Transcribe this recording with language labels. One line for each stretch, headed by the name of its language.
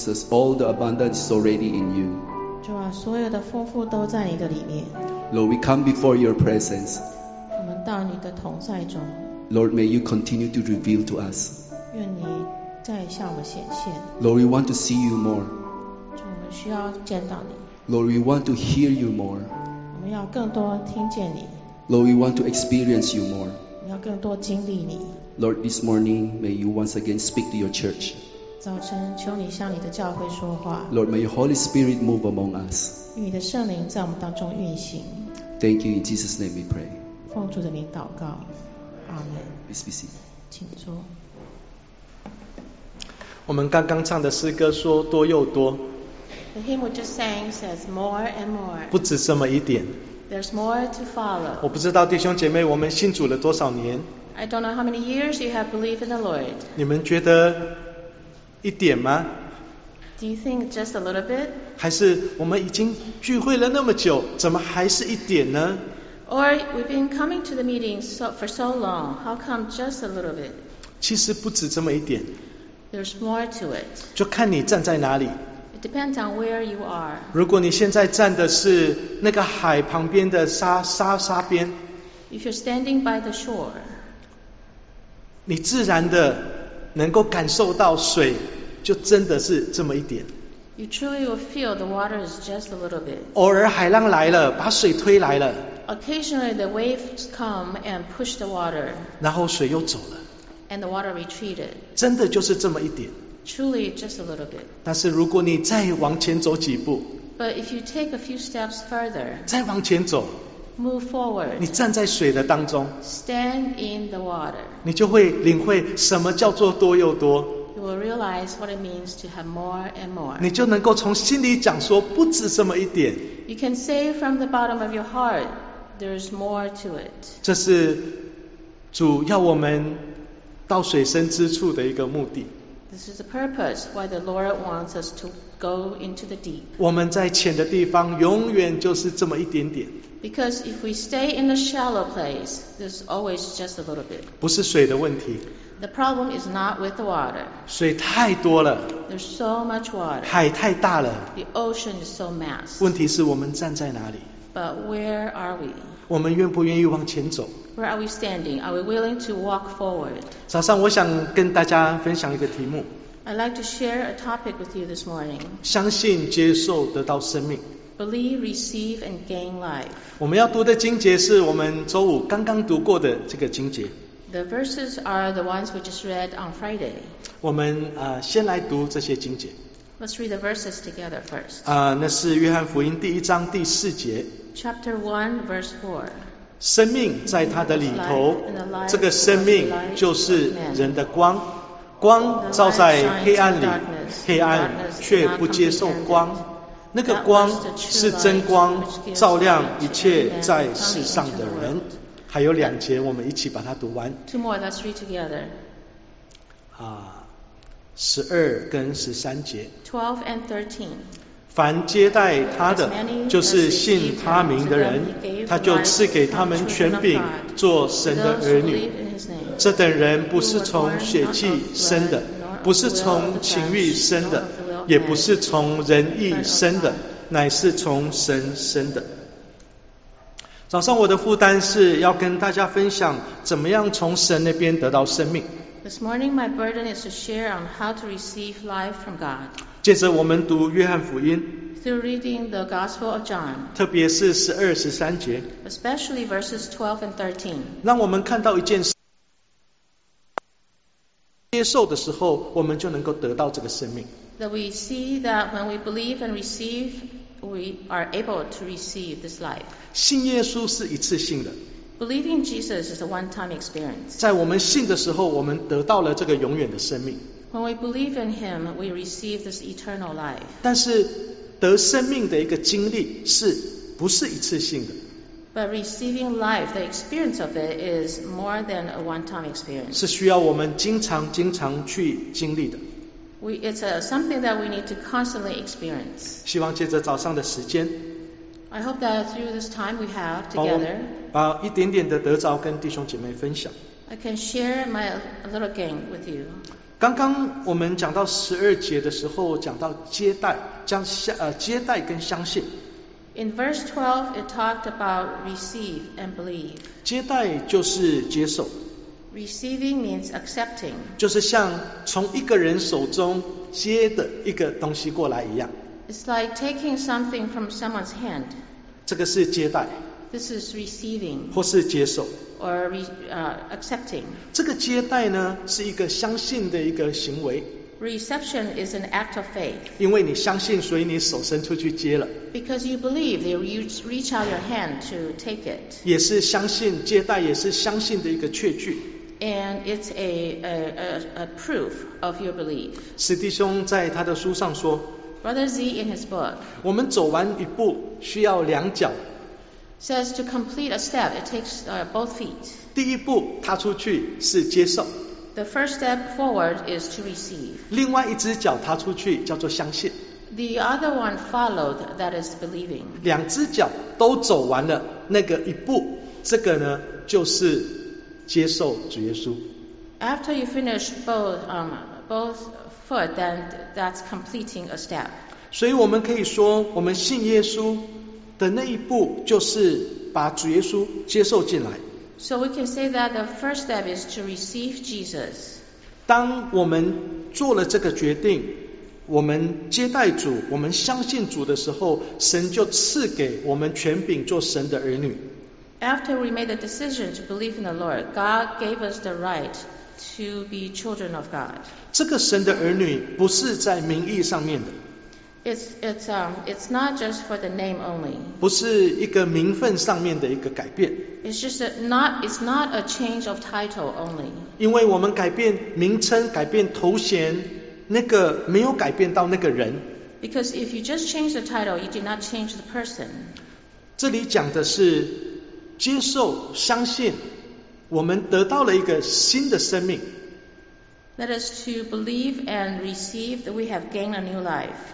English: All the abundance is already in you.
Chinese: 主啊，所有的丰富都在你的里面。
English: Lord, we come before your presence.
Chinese: 我们到你的同在中。
English: Lord, may you continue to reveal to us.
Chinese: 愿你再向我们显现。
English: Lord, we want to see you more.
Chinese: 主，我们需要见到你。
English: Lord, we want to hear you more.
Chinese: 我们要更多听见你。
English: Lord, we want to experience you more.
Chinese: 我们要更多经历你。
English: Lord, this morning, may you once again speak to your church.
Chinese: 早晨，求你向你的教会说话。
English: Lord, may your Holy Spirit move among us.
Chinese: 愿你的圣灵在我们当中运行。
English: Thank you, in Jesus' name we pray.
Chinese: 奉主的名祷告。Amen.
English: Please be seated.
Chinese: 请坐。我们刚刚唱的诗歌说多又多。
English: The hymn we just sang says more and more.
Chinese: 不止这么一点。
English: There's more to follow.
Chinese: 我不知道弟兄姐妹，我们信主了多少年。
English: I don't know how many years you have believed in the Lord.
Chinese: 你们觉得一点吗？
English: Do you think just a little bit?
Chinese: 还是我们已经聚会了那么久，怎么还是一点呢？
English: Or we've been coming to the meeting for so long, how come just a little bit?
Chinese: 其实不止这么一点。
English: There's more to it.
Chinese: 就看你站在哪里。
English: It depends on where you are.
Chinese: 如果你现在站的是那个海旁边的沙边。
English: If you're standing by the shore.
Chinese: 你自然的能够感受到水就真的是这么一点。
English: You truly will feel the water is just a little bit.
Chinese: 偶尔海浪来了，把水推来了。
English: Occasionally the waves come and push the water.
Chinese: 然后水又走了。
English: And the water retreated.
Chinese: 真的就是这么一点。
English: Truly just a little bit.
Chinese: 但是如果你再往前走几步。
English: But if you take a few steps further.
Chinese: 再往前走。
English: Move forward,
Chinese: 你站在水的当中
English: stand in the water,
Chinese: 你就会领会什么叫做多又多
English: you will realize what it means to have more and more.
Chinese: 你就能够从心里讲说不止这么一点
English: You can say from the bottom of your heart, there's more to it.
Chinese: 这是主要我们到水深之处的一个目的
English: This is the purpose why the Lord wants us to go into the deep.
Chinese: 我们在浅的地方永远就是这么一点点
English: Because if we stay in a shallow place, there's always just a little bit.
Chinese: 不是水的问题。
English: The problem is not with the water.
Chinese: 水太多了。
English: There's so much water.
Chinese: 海太大了。
English: The ocean is so massive.
Chinese: 问题是我们站在哪里。
English: But where are we?
Chinese: 我们愿不愿意往前走。
English: Where are we standing? Are we willing to walk forward?
Chinese: 早上我想跟大家分享一个题目。
English: I'd like to share a topic with you this morning.
Chinese: 相信接受得到生命。
English: Believe, receive, and gain life.
Chinese: 我们要读的经节是我们周五刚刚读过的这个经节。
English: The verses are the ones we just read on Friday.
Chinese: 我们先来读这些经节。
English: Let's read the verses together first.
Chinese: 那是约翰福音第一章第四节。
English: Chapter 1, verse 4.
Chinese: 生命在他的里头，这个生命就是人的光。光照在黑暗里，黑暗却不接受光。那个光是真光，照亮一切在世上的人。还有两节，我们一起把它读完。
English: Two more, let's read together.
Chinese: 十二跟十三节。
English: 12 and 13.
Chinese: 凡接待他的，就是信他名的人，他就赐给他们权柄做神的儿女。这等人不是从血气生的，不是从情欲生的，也不是从人意生的，乃是从神生的。早上我的负担是要跟大家分享怎么样从神那边得到生命。
English: This morning my burden is to share on how to receive life from God.
Chinese: 接着我们读约翰福音。
English: Through reading the Gospel of John.
Chinese: 特别是十二十三节。
English: Especially verses 12 and 13.
Chinese: 让我们看到一件事，接受的时候我们就能够得到这个生命。
English: That we see that when we believe and receive, we are able to receive this life.
Chinese: 信耶稣是一次性的。
English: Believing Jesus is a one-time experience.
Chinese: 在我们信的时候，我们得到了这个永远的生命。
English: When we believe in Him, we receive this eternal life.
Chinese: 但是得生命的一个经历是不是一次性的？
English: But receiving life, the experience of it is more than a one-time experience.
Chinese: 是需要我们经常去经历的。
English: It's something that we need to constantly experience.
Chinese: 希望借着早上的时间。
English: I hope that through this time we have together,
Chinese: 把一点点的得着跟弟兄姐妹分享。
English: I can share my little gain with you.
Chinese: 刚刚我们讲到十二节的时候，讲到接待，接待跟相信。
English: In verse 12, it talked about receive and believe.
Chinese: 接待就是接受。
English: Receiving means accepting.
Chinese: 就是像从一个人手中接的一个东西过来一样。
English: It's like taking something from someone's hand.
Chinese: 这个是接待。
English: This is receiving.
Chinese: 或是接受。
English: Or accepting.
Chinese: 这个接待呢，是一个相信的一个行为。
English: Reception is an act of faith.
Chinese: 因为你相信，所以你手伸出去接了。
English: Because you believe, you reach out your hand to take it.
Chinese: 也是相信，接待也是相信的一个确据。
English: And it's a proof of your belief.
Chinese: 史弟兄在他的书上说，
English: Brother Z in his book,
Chinese: 我们走完一步需要两脚。
English: Says to complete a step, it takes both feet.
Chinese: 第一步踏出去是接受。
English: The first step forward is to receive.
Chinese: 另外一只脚踏出去叫做相信。
English: The other one followed, that is believing.
Chinese: 两只脚都走完了那个一步，这个呢就是接受主耶稣。
English: After you finish both foot, then that's completing a step.
Chinese: 所以我们可以说，我们信耶稣的那一步就是把主耶稣接受进来。
English: So we can say that the first step is to receive Jesus.
Chinese: 当我们做了这个决定，我们接待主，我们相信主的时候，神就赐给我们权柄做神的儿女。
English: After we made the decision to believe in the Lord, God gave us the right to be children of God.
Chinese: 这个神的儿女不是在名义上面的。
English: It's not just for the name only.
Chinese: 不是一个名分上面的一个改变。
English: It's not a change of title only.
Chinese: 因为我们改变名称，改变头衔，那个没有改变到那个人。
English: Because if you just change the title, you did not change the person.
Chinese: 这里讲的是接受相信，我们得到了一个新的生命。
English: That is to believe and receive that we have gained a new life.